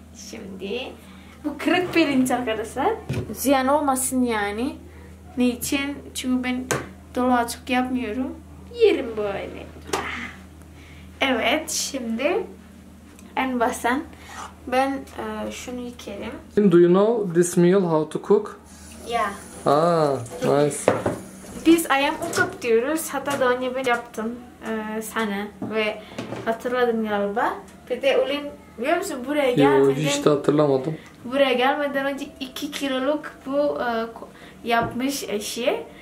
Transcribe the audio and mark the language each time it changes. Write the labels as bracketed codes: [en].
[tr] Şimdi bu kırık pirinç arkadaşlar. Ziyan olmasın yani. Niçin? Çünkü ben dolma çok yapmıyorum. Yerim böyle. Evet, şimdi en basen ben şunu yıkarım. [en] Do you know this meal how to cook? Yeah. Ah, nice. [tr] Biz ayam ukup diyoruz. Hatta daha önce ben yaptım sana ve hatırladın galiba. Bir de ulin, biliyor musun buraya gelmeden... Yok, hiç de hatırlamadım. Buraya gelmeden önce 2 kiloluk bu yapmış eşi.